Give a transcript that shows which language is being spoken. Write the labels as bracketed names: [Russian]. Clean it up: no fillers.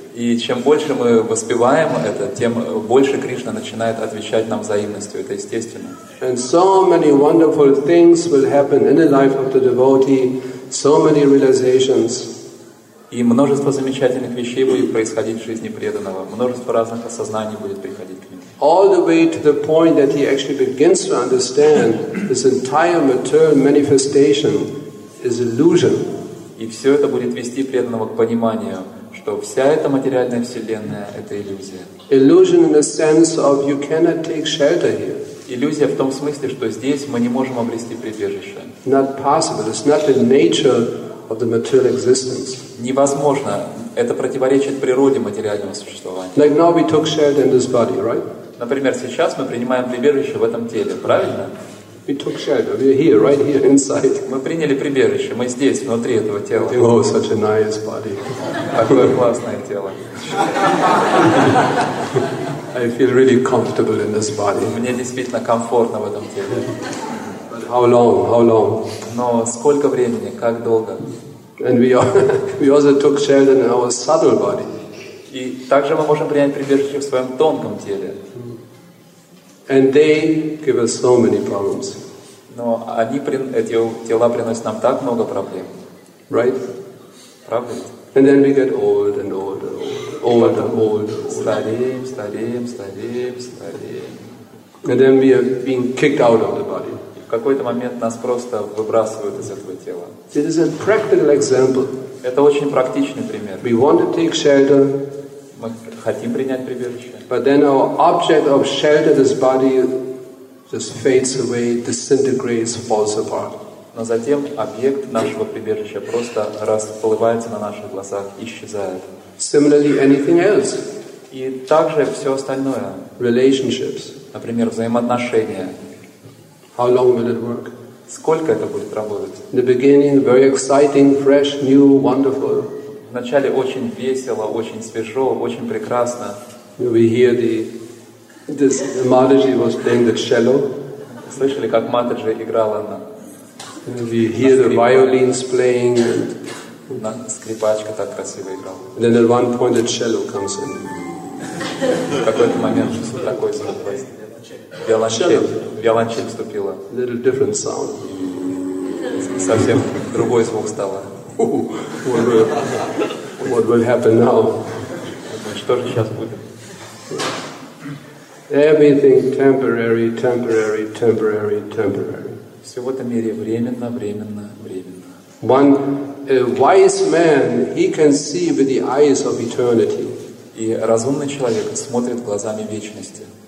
[Russian] И чем больше мы воспеваем это, тем больше Кришна начинает отвечать нам взаимностью. Это естественно. [English] And so many wonderful things will happen in the life of the devotee. So many realizations. [Russian] И множество замечательных вещей будет происходить в жизни преданного. Множество разных осознаний будет приходить к нему. [English] All the way to the point that he actually begins to understand this entire material manifestation is illusion. [Russian] И все это будет вести преданного к пониманию, что вся эта материальная вселенная — это иллюзия. [English] Illusion in the sense of you cannot take shelter here. [Russian] Иллюзия в том смысле, что здесь мы не можем обрести прибежище. [English] Not possible. It's not the nature of the material existence. [Russian] Невозможно. Это противоречит природе материального существования. [English] Like now we took shelter in this body, right? [Russian] Например, сейчас мы принимаем прибежище в этом теле, правильно? [English] We took shelter. We're here, right here, inside. [Russian] Мы приняли прибежище. Мы здесь, внутри этого тела. [English] Think, oh, such a nice body. [Russian] Такое классное тело. [English] I feel really comfortable in this body. [Russian] Мне действительно комфортно в этом теле. [English] How long? How long? [Russian] Но сколько времени? Как долго? [English] And we also took shelter in our subtle body. [Russian] И также мы можем принять прибежище в своем тонком теле. [English] And they give us so many problems. [Russian] Но они эти тела приносят нам так много проблем. [English] Right? [Russian] Правда? [English] And then we get old and old and old and old. [Russian] Стареем, стареем, стареем, стареем. [English] And then we are being kicked out of the body. [Russian] В какой-то момент нас просто выбрасывают из этого тела. [English] It is a practical example. [Russian] Это очень практичный пример. [English] We want to take shelter. [Russian] Мы хотим принять прибежище. [English] But then our object of shelter, this body, just fades away, disintegrates, falls apart. [Russian] Но затем объект нашего прибежища просто расплывается на наших глазах, исчезает. [English] Similarly, anything else. [Russian] И также все остальное. [English] Relationships. [Russian] Например, взаимоотношения. [English] How long will it work? [Russian] Сколько это будет работать? [English] In the beginning, very exciting, fresh, new, wonderful. [Russian] Вначале очень весело, очень свежо, очень прекрасно. [English] We hear this Mataji was playing the cello. [Russian] Слышали, как Матаджи играла на. [English] We hear the violins playing. [Russian] На скрипачка так красиво играла. [English] And then at one point the cello comes in. [Russian] В какой-то момент что-то такое случилось. Виолончель вступила. [English] Little different sound. [Russian] Совсем другой звук стало. [English] What will happen now? [Russian] Что же сейчас будет? [English] Everything temporary, temporary, temporary, temporary. [Russian] Все в этом мире временно, временно, временно. [English] One a wise man, he can see with the eyes of eternity. [Russian] И разумный человек смотрит глазами вечности.